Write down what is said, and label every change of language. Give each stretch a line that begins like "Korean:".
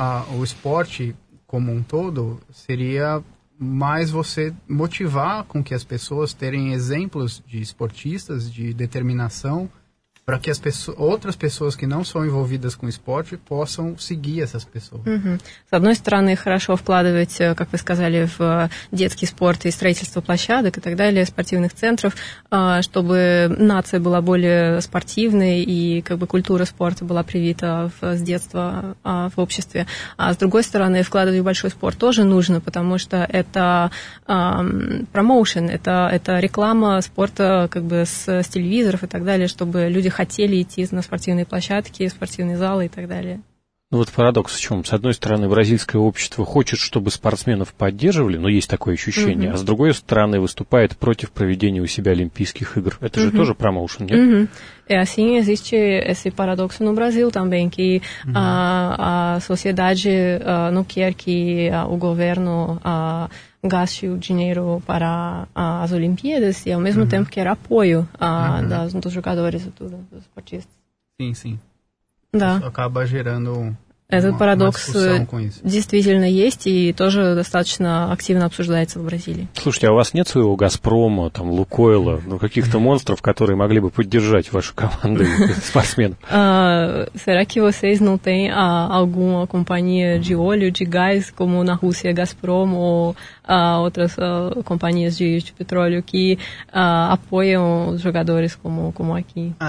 Portuguese: O esporte como um todo seria mais você motivar com que as pessoas terem exemplos de esportistas, de determinação, para que as pessoas, outras pessoas que não são envolvidas com esporte possam seguir essas pessoas.
Russian: С одной стороны, хорошо вкладывать, как вы сказали, в детский спорт и строительство площадок и так далее, спортивных центров, чтобы нация была более спортивной и как бы культура спорта была привита с детства в обществе. А с другой стороны, вкладывать в большой спорт тоже нужно, потому что это промоушен, это реклама спорта как бы с телевизоров и так далее, чтобы люди хотели идти на спортивные площадки, спортивные залы и так далее. Ну вот парадокс в чем? С одной стороны, бразильское общество хочет, чтобы спортсменов поддерживали, но есть такое ощущение, а с другой стороны, выступает против проведения у себя Олимпийских игр. Это же тоже промоушен, нет?
Portuguese: E assim existe esse paradoxo no Brasil também, que a sociedade não quer que o governo gaste o dinheiro para as Olimpíadas e ao mesmo tempo quer apoio dos jogadores e tudo, dos esportistas. Sim, sim.
Russian: Да.
Portuguese: Acaba gerando
Russian: этот парадокс действительно есть и тоже достаточно активно обсуждается в Бразилии. Слушайте, а у вас нет своего «Газпрома», там, «Лукойла», ну, каких-то монстров, которые могли бы поддержать вашу команду спортсменов?
Portuguese: Será que vocês não têm alguma companhia de óleo, de gás, como na Rússia «Газпром» ou outras companhias de petróleo que apoiam os jogadores como aqui?